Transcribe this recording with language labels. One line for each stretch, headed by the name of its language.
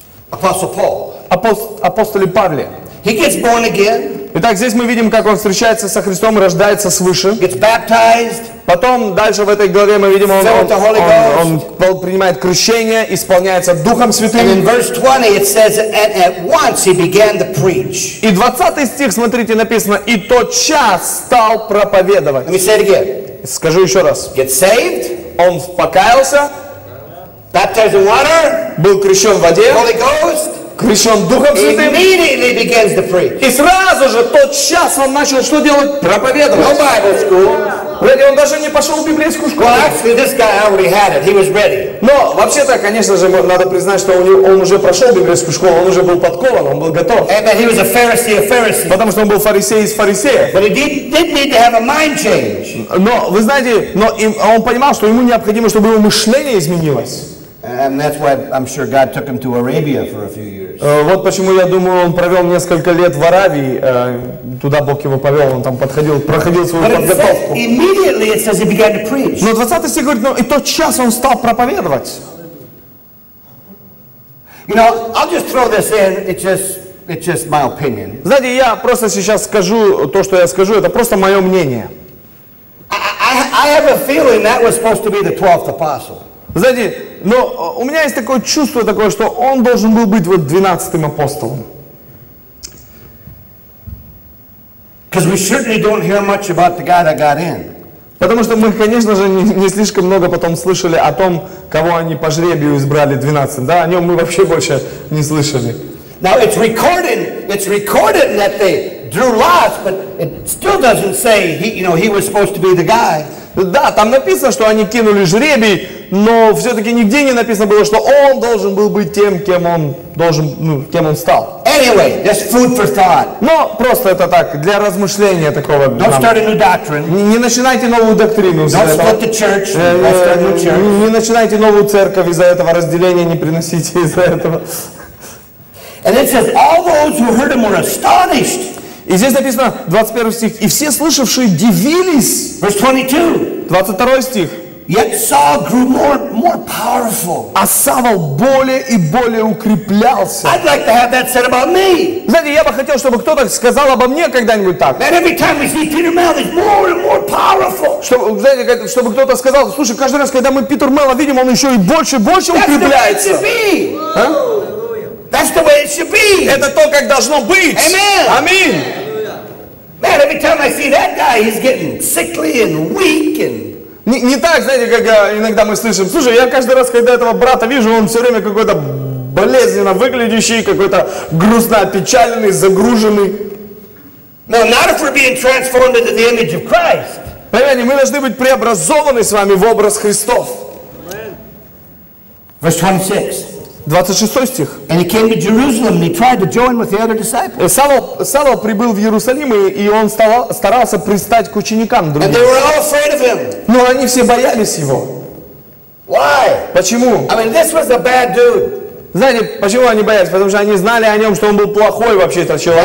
English: Apostle Paul.
Russian: Апостоле Павле.
English: He gets born again.
Russian: Итак, здесь мы видим, как он встречается со Христом, рождается свыше.
English: Gets baptized.
Russian: Потом, дальше в этой главе мы видим, он принимает крещение, исполняется Духом Святым.
English: And in verse 20 it says, and at once he began to preach.
Russian: И 20 стих, смотрите, написано, и тотчас стал проповедовать.
English: Let me say it again.
Russian: Скажу еще раз.
English: Get saved.
Russian: Он покаялся.
English: Baptized in water.
Russian: Был крещен в воде.
English: Holy Ghost.
Russian: Крещен Духом Святым.
English: Immediately begins to preach.
Russian: И сразу же тотчас он начал что делать? Проповедовать.
English: No Bible school. Ready,
Russian: он даже не пошел в библейскую школу.
English: Well, actually, this guy already had it. He was ready.
Russian: Но вообще-то, конечно же, надо признать, что он уже прошел библейскую школу, он уже был подкован, он был готов.
English: Amen. He was a Pharisee of Pharisees.
Russian: Потому что он был фарисей из фарисеев.
English: But he did need to have a mind change.
Russian: Но вы знаете, он понимал, что ему необходимо, чтобы его мышление изменилось.
English: And that's why I'm sure God took him to Arabia for a few years.
Russian: Вот почему я думаю, он провел несколько лет в Аравии, туда Бог его повел, он там подходил, проходил свою подготовку. Но 20 стих говорит, и тот час он стал проповедовать.
English: You know, I'll just throw this in, it's just my opinion.
Russian: Знаете, я просто сейчас скажу то, что я скажу, это просто мое мнение.
English: I, I, I have a feeling that was supposed to be the 12th apostle.
Russian: Знаете, но у меня есть такое чувство такое, что он должен был быть вот 12-м апостолом.
English: Because we certainly don't hear much about the guy that got in.
Russian: Потому что мы, конечно же, не слишком много потом слышали о том, кого они по жребию избрали 12, да? О нем мы вообще больше не слышали.
English: Now it's recorded that they drew lots, but it still doesn't say he, you know, he was supposed to be the guy.
Russian: Да, там написано, что они кинули жребий, но все-таки нигде не написано было, что он должен был быть тем, кем он должен, ну, кем он стал.
English: Anyway, just food for thought.
Russian: Но просто это так, для размышления такого.
English: Don't start a new doctrine.
Russian: Не начинайте новую доктрину из-за этого.
English: Don't split the church. Don't start a new church.
Russian: Не начинайте новую церковь из-за этого, разделения не приносите из-за этого.
English: And it says, all those who heard him were astonished.
Russian: И здесь написано 21 стих. И все слышавшие дивились.
English: Verse 22.
Russian: 22 стих.
English: Yet Saul grew more powerful.
Russian: А Савл более и более укреплялся.
English: I'd like to have that said about me.
Russian: Знаете, я бы хотел, чтобы кто-то сказал обо мне когда-нибудь так.
English: That every time we see Peter Mell, he's more and more powerful.
Russian: Чтобы кто-то сказал, слушай, каждый раз, когда мы Питер Мелла видим, он еще и больше
English: That's
Russian: укрепляется.
English: That's the way it should be. That's the way it should be.
Russian: Это то, как должно быть.
English: Amen. Amen. Man, every time I see that guy, he's getting sickly and weak and.
Russian: Не так, знаете, как иногда мы слышим. Слушай, я каждый раз, когда этого брата вижу, он все время какой-то болезненно выглядящий, какой-то грустно опечаленный, загруженный.
English: No, not if we're being transformed into the image of Christ.
Russian: Понимаете, мы должны быть преобразованы с вами в образ Христов.
English: Verse 26.
Russian: 26 стих.
English: And he came to Jerusalem and he tried to join with the other disciples.
Russian: Савл прибыл в Иерусалим и он старался пристать к ученикам другим.
English: And they were all afraid of him.
Russian: Но они все боялись его.
English: Why?
Russian: Почему?
English: I mean, this was a bad dude.
Russian: Знаете, почему они боялись? Потому что они знали о нем, что он был плохой вообще этот человек.